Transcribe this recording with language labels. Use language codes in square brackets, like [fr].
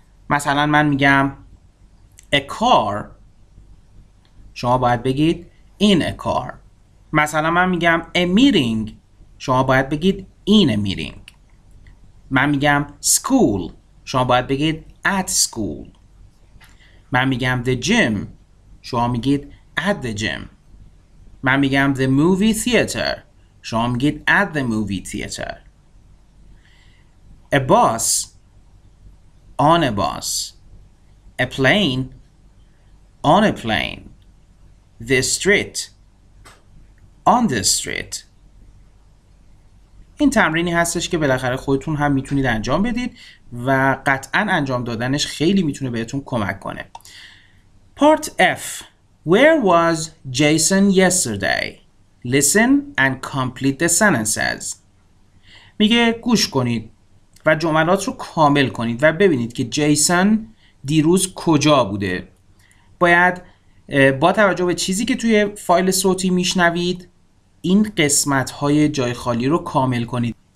[fa] مثلا من میگم a car، شما باید بگید [en] in a car. [fa] مثلا من میگم a meeting، شما باید بگید [en] in a meeting. [fa] من میگم school، شما باید بگید [en] at school. [fa] من میگم [en] the gym، [fa] شما میگید [en] at the gym. [fa] من میگم [en] the movie theater، [fa] شما میگید [en] at the movie theater. A bus، on a bus. A plane، on a plane. The street، on the street. [fa] این تمرینی هستش که بالاخره خودتون هم میتونید انجام بدید و قطعا انجام دادنش خیلی میتونه بهتون کمک کنه. [en] Part F. Where was Jason yesterday? Listen and complete the sentences. [fa] میگه گوش کنید و جملات رو کامل کنید و ببینید که جیسون دیروز کجا بوده. باید با توجه به چیزی که توی فایل صوتی میشنوید این قسمت‌های جای خالی رو کامل کنید.